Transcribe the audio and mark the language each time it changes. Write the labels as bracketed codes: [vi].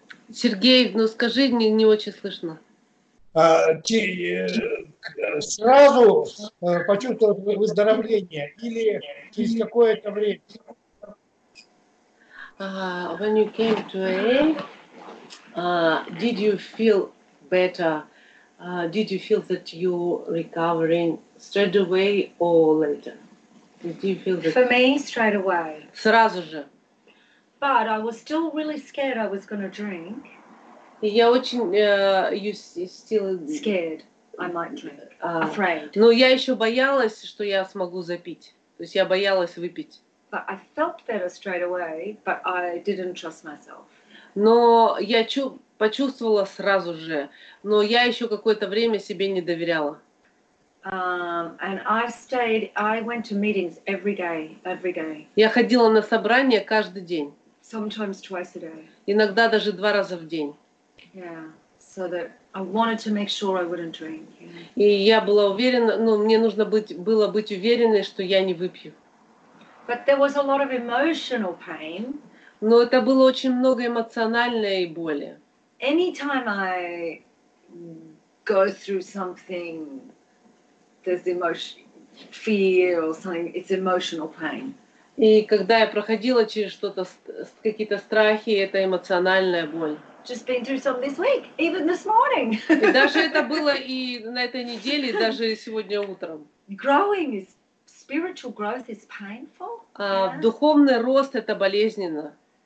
[ru] Сергей, ну скажи, не очень слышно. Сразу почувствовал выздоровление или через какое-то время? [en] When you came to AA, did you feel better? Did you feel that you recovering straight away or later? Did you feel that? For me, straight away. [ru] Сразу же. [en] But I was still really scared I was going to drink. [ru] Я очень, [en] you still... Scared I might drink. Afraid. [ru] Но я еще боялась, что я смогу запить. То есть я боялась выпить. [en] But I felt better straight away, but I didn't trust myself. [ru] Но я почувствовала сразу же, но я еще какое-то время себе не доверяла. [en] And I stayed, I went to meetings every day. [ru] Я ходила на собрания каждый день. [en] Sometimes twice a day. [ru] Иногда даже два раза в день. [en] Yeah, so that I wanted to make sure I wouldn't drink. Yeah. [ru] И я была уверена, ну, мне нужно было быть уверенной, что я не выпью. [en] But there was a lot of emotional pain. [ru] Но это было очень много эмоциональной боли. [en] Anytime I go through something, there's emotion, fear or something, it's emotional pain. [ru] И когда я проходила через что-то, какие-то страхи, это эмоциональная боль. [en] Just been through some this week, even this morning. [ru] И даже это было и на этой неделе, и даже сегодня утром. [en] Growing is, spiritual growth is painful. Yeah. [ru] Духовный рост — это болезненно.